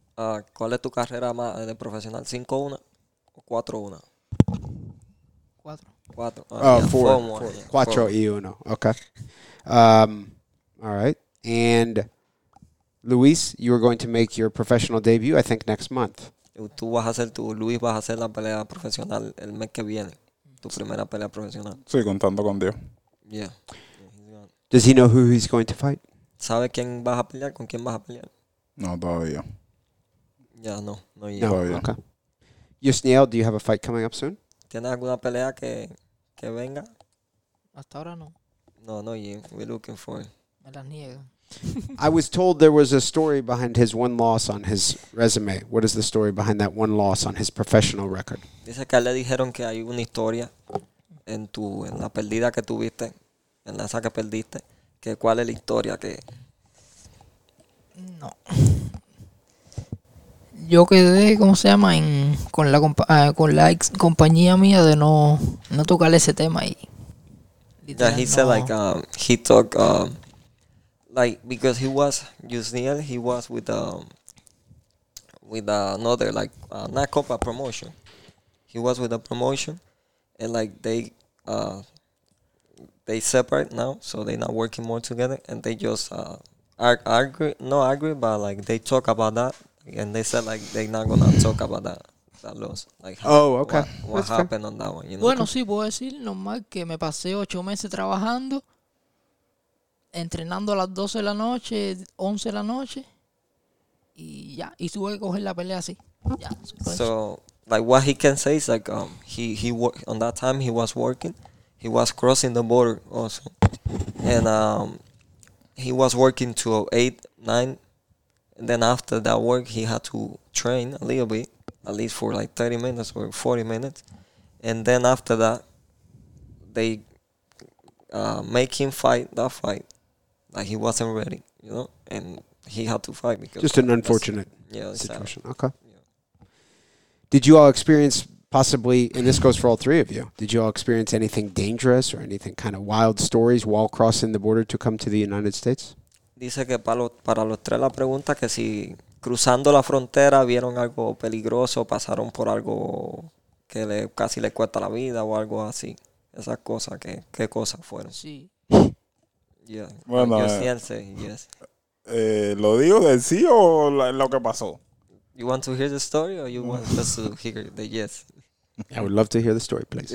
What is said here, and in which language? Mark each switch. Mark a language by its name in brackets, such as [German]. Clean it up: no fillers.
[Spanish] ¿Cuál es tu carrera más de profesional? 5-1 o 4-1? [English] 4. 4-1. Okay. All right. And Luis, you are going to make your professional debut, I think, next month. [Spanish] Tú vas a hacer tu, Luis vas a hacer la pelea profesional el mes que viene. Tu primera pelea profesional. Sí, contando con Dios. [English] Yeah. Does he know who he's going to fight? [Spanish] ¿Sabe quién vas a pelear? ¿Con quién vas a pelear? No, todavía. Ya, [English] yeah, no ya. No, [Spanish] todavía. Okay. [English] Yusniel, do you have a fight coming up soon? [Spanish] ¿Tienes alguna pelea que venga? Hasta ahora no. [English] No, yeah. We're looking for it. [Spanish] Me las niego. [English] I was told there was a story behind his one loss on his resume. What is the story behind that one loss on his professional record? [Spanish] Dice que le dijeron que hay una historia en la pérdida que tuviste, en la esa que perdiste, que cuál es la historia que... No. Yo quedé, ¿cómo se llama? Con la ex compañía mía de no tocar ese tema ahí. [English] Yeah, he said like, he talked... Like because he was Yusniel, he was with another like not Copa promotion. He was with a promotion, and like they separate now, so they're not working more together. And they just argue, but like they talk about that, and they said like they're not gonna talk about that loss. Like what happened on that one? You know. [Spanish] Bueno, sí, puedo decir normal que me pasé 8 meses trabajando. Entrenando a las 12 de la noche, 11 de la noche, y ya, y tuve que coger la pelea así. Ya, [English] so, like, what he can say is, like, he on that time he was working, he was crossing the border also, And he was working to 8, 9. And then after that work, he had to train a little bit, at least for like 30 minutes or 40 minutes. And then after that, they make him fight that fight. Like, he wasn't ready, you know? And he had to fight because... Just an unfortunate situation. Sad. Okay. Did you all experience possibly, and this goes for all three of you, did you all experience anything dangerous or anything kind of wild stories while crossing the border to come to the United States? [Spanish] Dice que para los tres la pregunta que si cruzando la frontera vieron algo peligroso, pasaron por algo que le casi le cuesta la vida o algo así. Esas cosas, ¿qué cosas fueron? Sí. [English] Yeah. [Spanish] Bueno, [English] yes. [Spanish] ¿Lo digo de sí o lo que pasó? [English] You want to hear the story or you want us to hear the yes? I would love to hear the story, please.